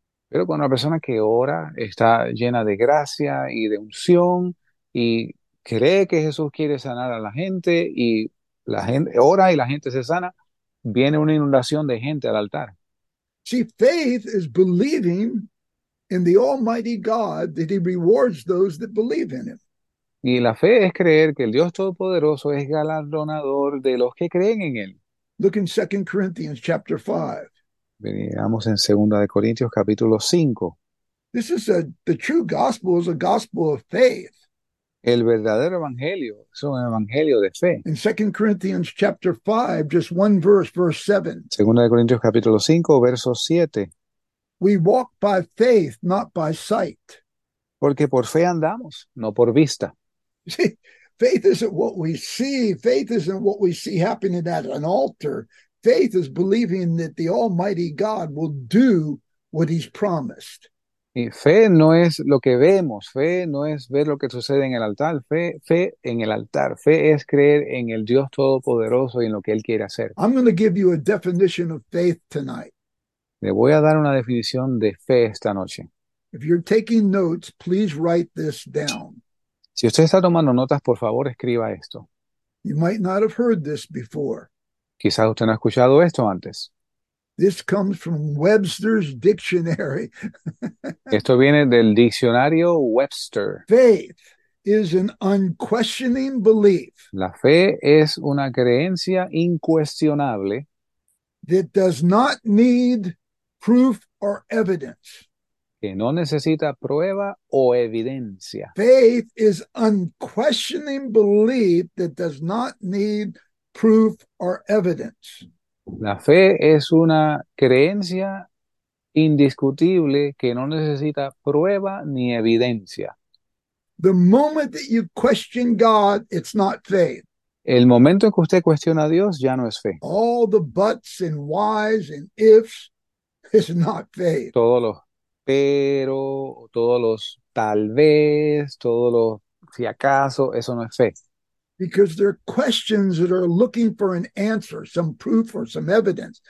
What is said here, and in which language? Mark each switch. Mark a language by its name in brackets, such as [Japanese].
[Spanish] Pero cuando una persona que ora está llena de gracia y de unción, y cree que Jesús quiere sanar a la gente y la gente ora y la gente se sana, viene una inundación de gente al altar. [English] See, faith is believing in the Almighty God that he rewards those that believe in him. [Spanish] Y la fe es creer que el Dios Todopoderoso es galardonador de los que creen en Él. [English] Look in 2 Corinthians chapter 5. [Spanish] Veamos en 2 Corintios capítulo 5. [English] This is the true gospel is a gospel of faith. [Spanish] El verdadero evangelio es un evangelio de fe. [English] In 2 Corinthians chapter 5, just one verse, verse 7. [Spanish] Segunda de Corintios capítulo 5, verso 7. [English] We walk by faith, not by sight. [Spanish] Porque por fe andamos, no por vista. [English] See, faith isn't what we see. Faith isn't what we see happening at an altar. Faith is believing that the Almighty God will do what he's promised. [Spanish] Y fe no es lo que vemos, fe no es ver lo que sucede en el altar, fe en el altar, fe es creer en el Dios Todopoderoso y en lo que Él quiere hacer. [English] I'm going to give you a definition of faith tonight. [Spanish] Le voy a dar una definición de fe esta noche. [English] If you're taking notes, please write this down. [Spanish] Si usted está tomando notas, por favor, escriba esto. [English] You might not have heard this before. [Spanish] Quizás usted no ha escuchado esto antes. [English] This comes from Webster's dictionary. [Spanish] Esto viene del diccionario Webster. [English] Faith is an unquestioning belief [Spanish] La fe es una creencia incuestionable [English] that does not need proof or evidence. [Spanish] que no necesita prueba o evidencia. [English] Faith is unquestioning belief that does not need proof or evidence. [Spanish] La fe es una creencia indiscutible que no necesita prueba ni evidencia. [English] The moment that you question God, it's not faith. [Spanish] El momento en que usted cuestiona a Dios ya no es fe. [English] All the buts and whys and ifs is not faith. [Spanish] Todos los pero, todos los tal vez, todos los si acaso, eso no es fe. [English] Because there are questions that are looking for an answer, some proof or some evidence.